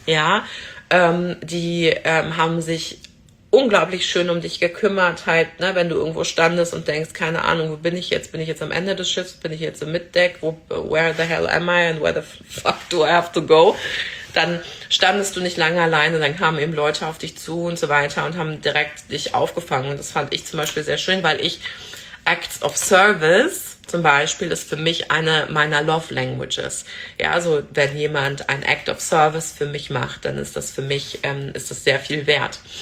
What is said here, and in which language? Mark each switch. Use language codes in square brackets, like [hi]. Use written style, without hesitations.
[de] Ja, die haben sich unglaublich schön um dich gekümmert, halt, ne, wenn du irgendwo standest und denkst, keine Ahnung, wo bin ich jetzt? Bin ich jetzt am Ende des Schiffs? Bin ich jetzt im Mitdeck? [en] Where the hell am I and where the fuck do I have to go? [de] Dann standest du nicht lange alleine, dann kamen eben Leute auf dich zu und so weiter und haben direkt dich aufgefangen. Und das fand ich zum Beispiel sehr schön, weil ich Acts of Service zum Beispiel ist für mich eine meiner Love Languages. Ja, also wenn jemand ein Act of Service für mich macht, dann ist das für mich, ist das sehr viel wert.